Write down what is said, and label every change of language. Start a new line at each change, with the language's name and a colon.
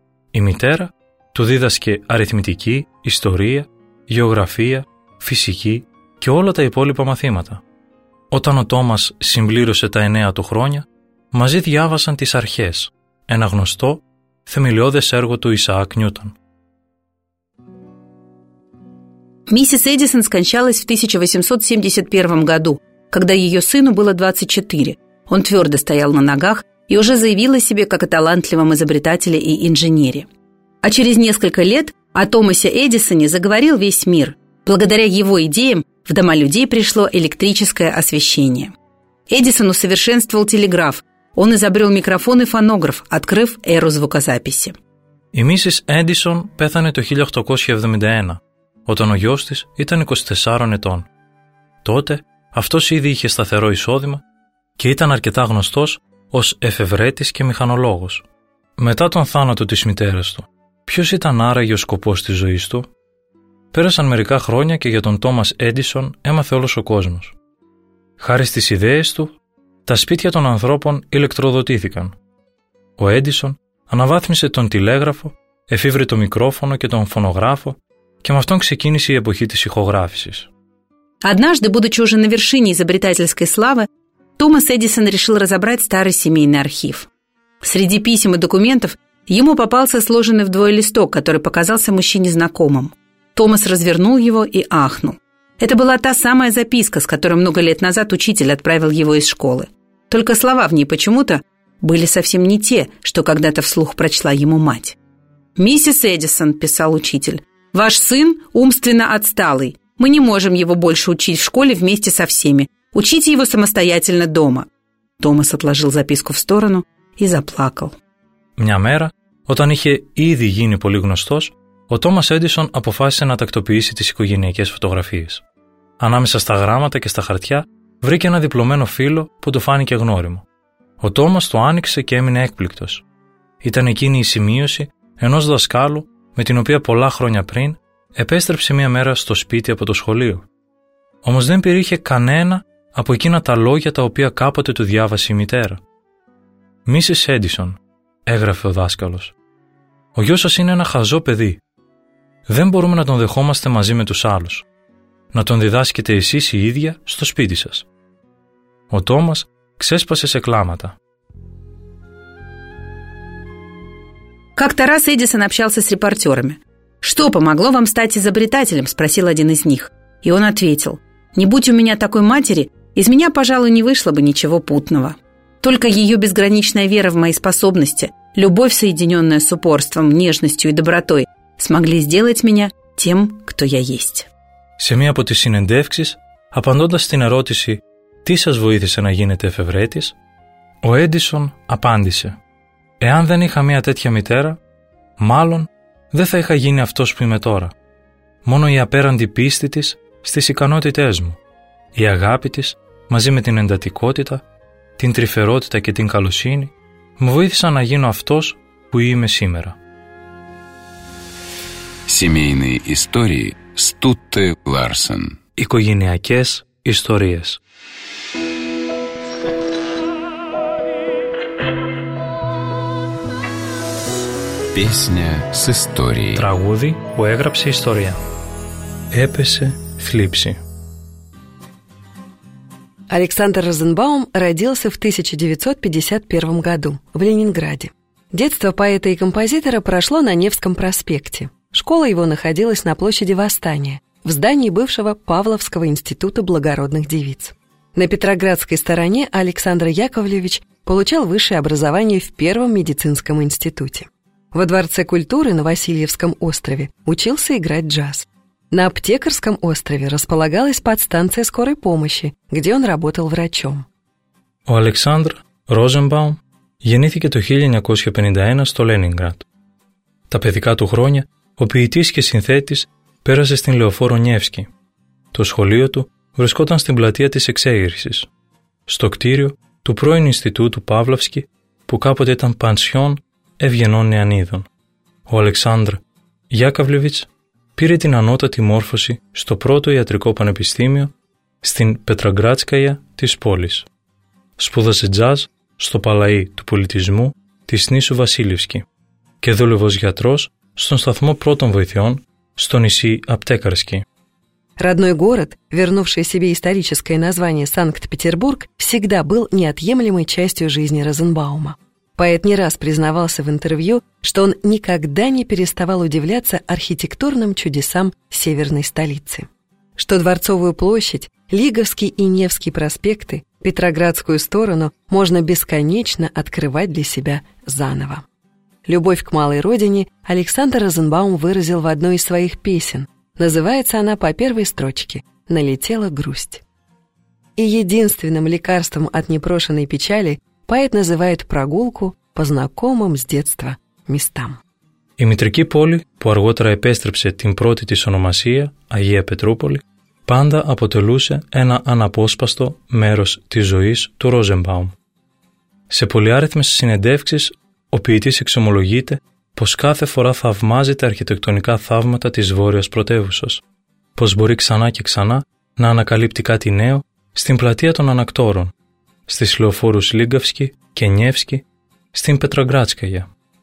Greek: Η μητέρα του δίδασκε αριθμητική, ιστορία, γεωγραφία, φυσική και όλα τα υπόλοιπα μαθήματα. Όταν ο Τόμας συμπλήρωσε τα 9 του χρόνια, μαζί διάβασαν τις αρχές, ένα γνωστό θεμελιώδες έργο του Ισαάκ Νιούτον.
Russian: Миссис Эдисон скончалась в 1871 году, когда ее сыну было 24. Он твердо стоял на ногах и уже заявил о себе как о талантливом изобретателе и инженере. А через несколько лет о Томасе Эдисоне заговорил весь мир. Благодаря его идеям в дома людей пришло электрическое освещение. Эдисон усовершенствовал телеграф. Он изобрел микрофон и фонограф, открыв эру звукозаписи. И миссис Эдисон
Greek: пέθανε το 1871. Όταν ο γιος της ήταν 24 ετών. Τότε αυτός ήδη είχε σταθερό εισόδημα και ήταν αρκετά γνωστός ως εφευρέτης και μηχανολόγος. Μετά τον θάνατο της μητέρας του, ποιος ήταν άραγε ο σκοπός της ζωής του? Πέρασαν μερικά χρόνια και για τον Τόμας Έντισον έμαθε όλος ο κόσμος. Χάρη στις ιδέες του, τα σπίτια των ανθρώπων ηλεκτροδοτήθηκαν. Ο Έντισον αναβάθμισε τον τηλέγραφο, εφήβρε το μικρόφωνο και τον φωνογράφο. Και με αυτόν ξεκίνησε η εποχή της ηχογράφησης.
Russian: Однажды, будучи уже на вершине изобретательской славы, Томас Эдисон решил разобрать старый семейный архив. Среди писем и документов ему попался сложенный вдвое листок, который показался мужчине знакомым. Томас развернул его и ахнул. Это была та самая записка, с которой много лет назад учитель отправил его из школы. Только слова в ней почему-то были совсем не те, что когда-то вслух прочла ему мать. «Миссис Эдисон», – писал учитель, – «Ваш сын умственно отсталый. Мы не можем его больше учить в школе вместе со всеми. Учите его самостоятельно дома». Томас отложил записку в сторону и заплакал.
Greek: Мня мэра, όταν είχε ήδη γίνει πολύ γνωστός, ο Томас Эдисон αποφάσισε να τακτοποιήσει τις οικογενειακές φωτογραφίες. Ανάμεσα στα γράμματα και στα χαρτιά, βρήκε ένα διπλωμένο φύλλο που του φάνηκε γνώριμο. Ο Τόμας το άνοιξε και έμεινε έκπληκτος. Ήταν εκείνη η σημείωση ενός δασκάλου με την οποία πολλά χρόνια πριν επέστρεψε μια μέρα στο σπίτι από το σχολείο. Όμως δεν περιείχε κανένα από εκείνα τα λόγια τα οποία κάποτε του διάβασε η μητέρα. «Μίσης Έντισον», έγραφε ο δάσκαλος, «ο γιος σας είναι ένα χαζό παιδί. Δεν μπορούμε να τον δεχόμαστε μαζί με τους άλλους. Να τον διδάσκετε εσείς η ίδια στο σπίτι σας». Ο Τόμας ξέσπασε σε κλάματα.
Russian: Как-то раз Эдисон общался с репортерами. «Что помогло вам стать изобретателем?» – спросил один из них. И он ответил: «Не будь у меня такой матери, из меня, пожалуй, не вышло бы ничего путного. Только ее безграничная вера в мои способности, любовь, соединенная с упорством, нежностью и добротой, смогли сделать меня тем, кто я есть».
Greek: Σε μία από τις συνεντεύξεις, απαντώντας στην ερώτηση «Τι σας βοήθησε να γίνετε εφευρέτης?», ο Έντισον απάντησε: «Εάν δεν είχα μια τέτοια μητέρα, μάλλον δεν θα είχα γίνει αυτός που είμαι τώρα. Μόνο η απέραντη πίστη της στις ικανότητές μου, η αγάπη της μαζί με την εντατικότητα, την τρυφερότητα και την καλοσύνη μου βοήθησαν να γίνω αυτός που είμαι σήμερα».
Russian: Семейные истории Стутте Ларсен.
Greek: Οικογενειακές ιστορίες.
Russian: Песня с историей.
Greek: Трагуди, уэграпсе история. Эпесе, флипси.
Russian: Александр Розенбаум родился в 1951 году в Ленинграде. Детство поэта и композитора прошло на Невском проспекте. Школа его находилась на площади Восстания, в здании бывшего Павловского института благородных девиц. На Петроградской стороне Александр Яковлевич получал высшее образование в Первом медицинском институте. Во Дворце культуры на Васильевском острове учился играть джаз. На Аптекарском острове располагалась подстанция скорой помощи, где он работал врачом.
Greek: Ο Александр Розенбаум γεννήθηκε το 1951 στο Λένιγκραντ. Τα παιδικά του χρόνια ο ποιητής και συνθέτης πέρασε στην Λεωφόρο Νιεύσκη. Το σχολείο του βρισκόταν στην πλατεία της Εξέγερσης, στο κτίριο του πρώην Ινστιτούτου Παύλαυσκη, που κάποτε ήταν πανσιόν ευγενών νεανίδων. Ο Αλεξάνδρ Γιάκαβλεβιτς πήρε την ανώτατη μόρφωση στο πρώτο ιατρικό πανεπιστήμιο στην Πετραγκράτσκαια της πόλης. Σπούδασε τζαζ στο Παλαΐ του Πολιτισμού της Νήσου Βασίλευσκη και δούλευε ως γιατρός στον σταθμό πρώτων βοηθειών στο νησί Απτέκαρσκι.
Russian: Родной город, вернувший себе историческое название Санкт-Петербург, всегда был неотъемлемой частью жизни Розенбаума. Поэт не раз признавался в интервью, что он никогда не переставал удивляться архитектурным чудесам северной столицы. Что Дворцовую площадь, Лиговский и Невский проспекты, Петроградскую сторону можно бесконечно открывать для себя заново. Любовь к малой родине Александр Розенбаум выразил в одной из своих песен. Называется она по первой строчке «Налетела грусть». И единственным лекарством от непрошенной печали поэт называет прогулку по знакомым с детства местам.
Greek: Η μητρική πόλη που αργότερα επέστρεψε την πρώτη της ονομασία, Αγία Πετρούπολη, πάντα αποτελούσε ένα αναπόσπαστο μέρος της ζωής του Ρόζενμπαουμ. Σε πολυάριθμες συνεντεύξεις, ο ποιητής εξομολογείται πως κάθε φορά θαυμάζει τα αρχιτεκτονικά θαύματα της Βόρειας Πρωτεύουσας, πως μπορεί ξανά και ξανά να ανακαλύπτει κάτι νέο στην πλατεία των Ανακτόρων, στις λεωφόρους Λίγκαυσκη και Νιεύσκη, στην Πετρογκράτσκαγια.